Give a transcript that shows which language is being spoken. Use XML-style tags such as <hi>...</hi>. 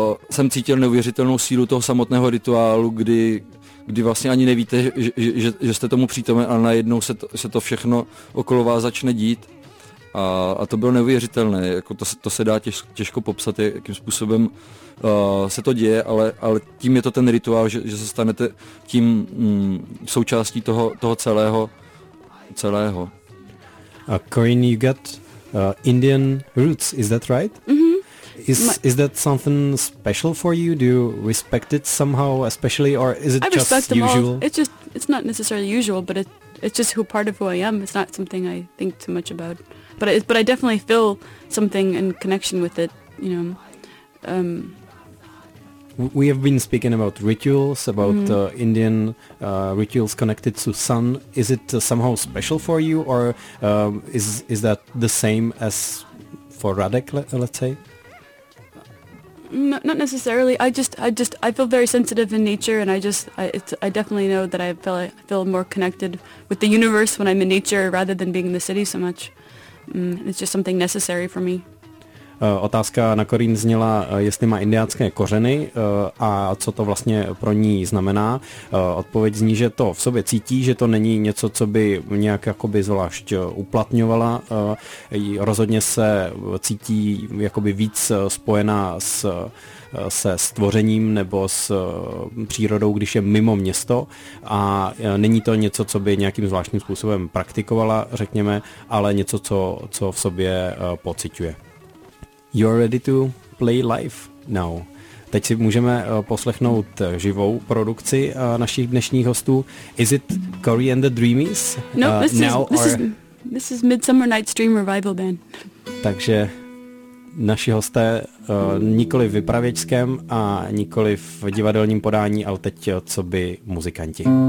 <cs>jsem cítil neuvěřitelnou sílu toho samotného rituálu, kdy vlastně ani nevíte, že jste tomu přítomen a najednou se to všechno okolo vás začne dít a to bylo neuvěřitelné, jako to se dá těžko popsat, jakým způsobem se to děje, ale tím je to ten rituál, že se stanete tím součástí toho celého.</cs> <en>Corinne, you got Indian roots, is that right? Mm-hmm. Is that something special for you? Do you respect it somehow, especially, or is it just usual? I respect them all. It's not necessarily usual, but it's just who part of who I am. It's not something I think too much about, but I definitely feel something in connection with it. You know. We have been speaking about rituals, about Indian rituals connected to sun. Is it somehow special for you, or is that the same as for Radek, let's say? No, not necessarily. I feel very sensitive in nature, and I definitely know that I feel more connected with the universe when I'm in nature rather than being in the city so much. It's just something necessary for me.</en> <cs>Otázka na Corinne zněla, jestli má indiácké kořeny a co to vlastně pro ní znamená. Odpověď zní, že to v sobě cítí, že to není něco, co by nějak jakoby zvlášť uplatňovala. Rozhodně se cítí jakoby víc spojená se stvořením nebo s přírodou, když je mimo město a není to něco, co by nějakým zvláštním způsobem praktikovala, řekněme, ale něco, co v sobě pociťuje.</cs> <en>You're ready to play live now.</en> <cs>Teď si můžeme poslechnout živou produkci našich dnešních hostů.</cs> <en>Is it Corrie and the Dreamies? No, this is Midsummer Night's Dream Revival Band.</en> <cs>Takže naši hosté nikoli v vypravěčském a nikoli v divadelním podání, ale teď co by muzikanti.</cs>